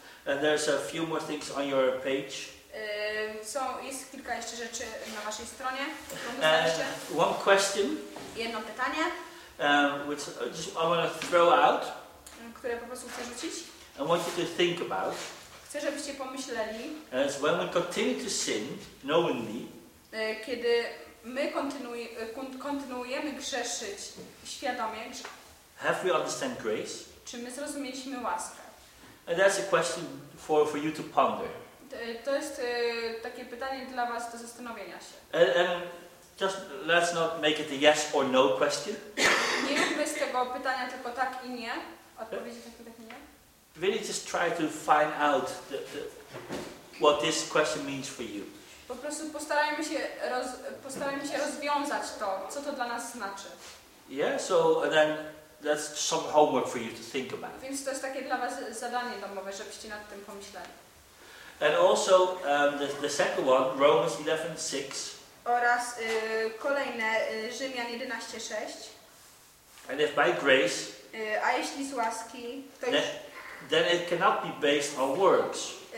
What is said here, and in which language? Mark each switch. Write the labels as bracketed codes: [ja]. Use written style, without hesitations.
[en] And there's a few more things on your page. [pl] Jest kilka jeszcze rzeczy na waszej stronie. [en] One question. [pl] Jedno pytanie. [en] Which just I want to throw out. [pl] Które po prostu chcę rzucić. [en] I want you to think about. [pl] Chcę, żebyście pomyśleli. [en] As when we continue to sin knowingly. [pl] Kiedy my kontynuujemy grzeszyć świadomie. [en] Have we understand grace? [pl] Czy my zrozumieliśmy łaskę? [en] And that's a question for you to ponder. [pl] To jest takie pytanie dla was do zastanowienia się. [en] Just let's not make it a yes or no question. [pl] Nie róbmy z tego pytania tylko tak i nie. Odpowiedzi tak i nie. [en] Really just try to find out what this question means for you. [pl] Po prostu postarajmy się rozwiązać to, co to dla nas znaczy. [en] Yeah, so then that's some homework for you to think about. [pl] Więc to jest takie dla was zadanie domowe, żebyście nad tym pomyśleli. [en] And also the second one, Romans 11:6. [pl] Oraz kolejne Rzymian 11:6. [en] And if by grace. [pl] A jeśli z łaski. To [en] then, [pl] już, [en] then it cannot be based on works.